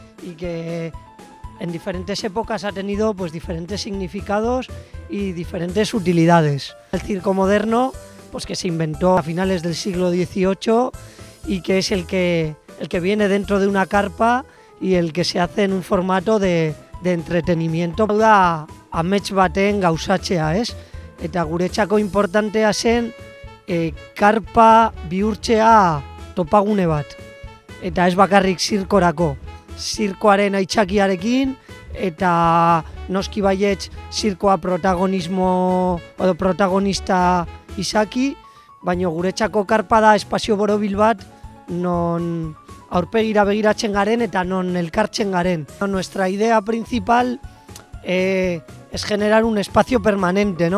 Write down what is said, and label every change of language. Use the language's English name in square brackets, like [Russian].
[Spanish] Y que en diferentes épocas ha tenido pues diferentes significados y diferentes utilidades. El circo moderno, pues que se inventó a finales del siglo XVIII y que es el que viene dentro de una carpa y el que se hace en un formato de entretenimiento. [Basque] Hau da amets baten gauzatzea, ez? Eta guretzako importantea zen karpa bihurtzea topagune bat. Eta ez bakarrik zirkorako. Zirkoaren aitzakiarekin eta noski baietz zirkoa protagonista izaki, baina guretzako karpa da espazio borobil bat non aurpegira begiratzen garen eta non elkartzen garen. [Spanish] Nuestra idea principal es generar un espacio permanente, ¿no?